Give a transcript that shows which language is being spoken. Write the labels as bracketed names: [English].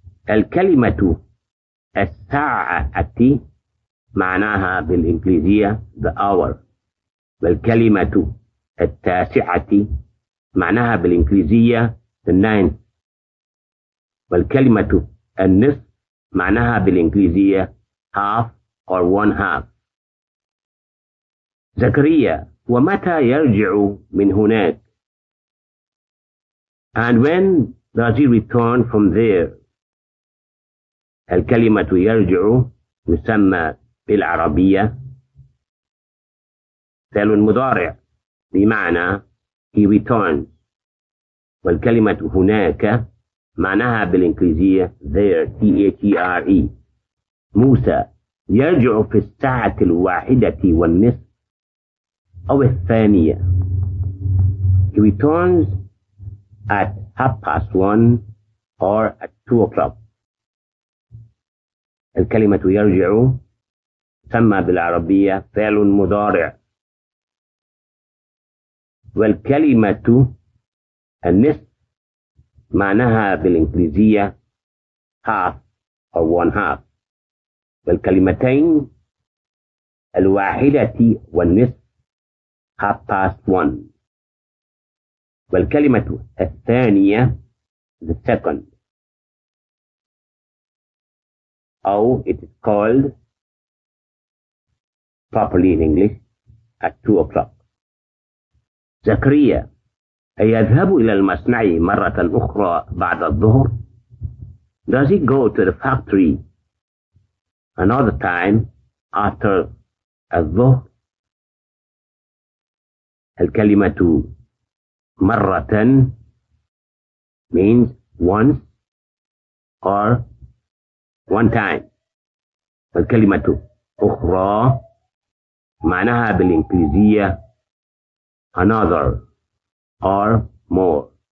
[Arabic] الكلمة الساعة التي معناها بالإنجليزية [English] the hour. [Arabic] والكلمة التاسعة معناها بالإنجليزية [English] the ninth. [Arabic] والكلمة النصف معناها بالإنجليزية [English] half or one half. [Arabic] زكريا ومتى يرجع من هناك؟ [English] And when does he return from there? [Arabic] الكلمة يرجع تسمى بالعربية فعل مضارع بمعنى [English] he returns. [Arabic] والكلمة هناك معناها بالإنجليزية [English] there, T-H-E-R-E. [Arabic] موسى يرجع في الساعة الواحدة والنصف أو الثانية. [English] He returns at 1:30 or at 2 o'clock. [Arabic] الكلمة يرجع تسمى بالعربية فعل مضارع. والكلمة النصف معناها بالإنجليزية [English] half or one half. [Arabic] والكلمتين الواحدة والنصف 1:30. والكلمة الثانية [English] the second [Arabic] أو [English] it is called properly in English at 2 o'clock. [Arabic] زكريا أيذهب إلى المصنع مرة أخرى بعد الظهر؟ [English] Does he go to the factory another time after [Arabic] الظهر الكلمة مرة [English] means once or one time [Arabic] والكلمة أخرى معناها بالإنجليزية [English] another or more